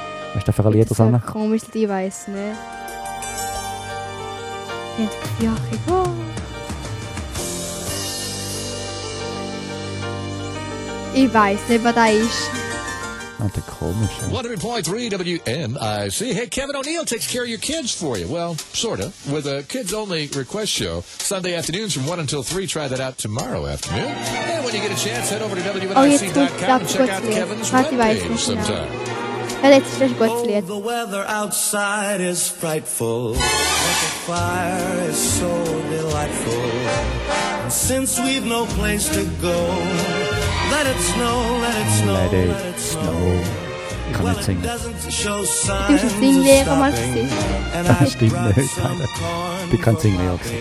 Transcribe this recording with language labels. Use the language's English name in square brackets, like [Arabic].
[German] Was ist das für ein Lied? Das komisch, ich weiß nicht. Ja, ich bin froh. Ich weiß nicht, was da ist. Ah, der komische. [English] 100.3 WMIC. Hey, Kevin O'Neill takes care of your kids for you. Well, sorta. With a kids-only request show, Sunday afternoons from 1 until 3. Try that out tomorrow afternoon. And when you get a chance, head over to WMIC.com and check out Kevin's webpage sometime. [German] Ja, jetzt ist das ein gutes Lied. [English] Oh, the weather outside is frightful. But the fire is so delightful. delightful. And since we've no place to go, let it snow, let it snow, let it snow. [German] Kann ich singen. Du hast einen Singlehrer mal gesehen. Das stimmt nicht. Ich bin kein Singlehrer gesehen.